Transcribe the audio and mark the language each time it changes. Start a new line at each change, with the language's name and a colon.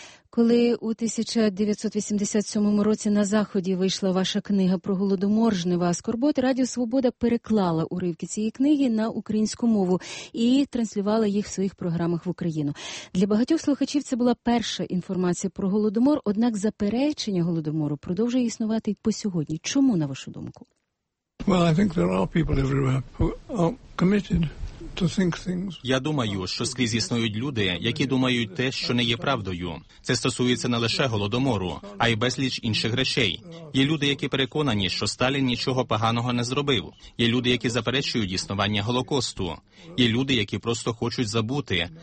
Ukrainian: Коли у 1987 році на Заході вийшла ваша книга про Голодомор «Жнива скорботи», Радіо Свобода переклала уривки цієї книги на українську мову і транслювала їх в своїх програмах в Україну. Для багатьох слухачів це була перша інформація про Голодомор, однак заперечення Голодомору продовжує існувати й по сьогодні. Чому, на вашу думку?
English: Well, I think there are people everywhere who are committed
Ukrainian: Я думаю, що скрізь існують люди, які думають те, що не є правдою. Це стосується не лише Голодомору, а й безліч інших речей. Є люди, які переконані, що Сталін нічого поганого не зробив. Є люди, які заперечують існування Голокосту. Є люди, які просто хочуть забути.